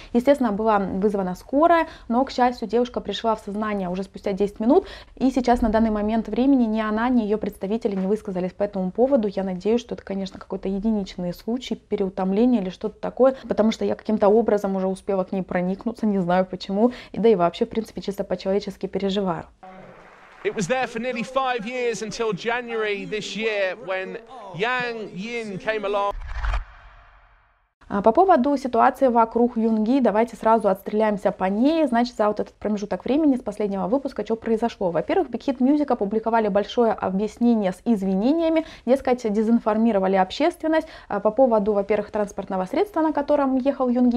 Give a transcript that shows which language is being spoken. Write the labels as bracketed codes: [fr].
[ru] Естественно, была вызвана скорая, но, к счастью, девушка пришла в сознание уже спустя 10 минут, и сейчас, на данный момент времени, ни она, ни ее представители не высказались по этому поводу. Я надеюсь, что это, конечно, какой-то единичный случай переутомления или что-то такое, потому что я каким-то образом уже успела к ней проникнуться, не знаю почему, и да и вообще, в принципе, чисто по-человечески переживаю. [en] It was there for nearly 5 years until January this year, when Yang Yin came along. [ru] По поводу ситуации вокруг Юнги, давайте сразу отстреляемся по ней. Значит, за вот этот промежуток времени с последнего выпуска что произошло? Во-первых, Big Hit Music опубликовали большое объяснение с извинениями, дескать, дезинформировали общественность по поводу, во-первых, транспортного средства, на котором ехал Юнги.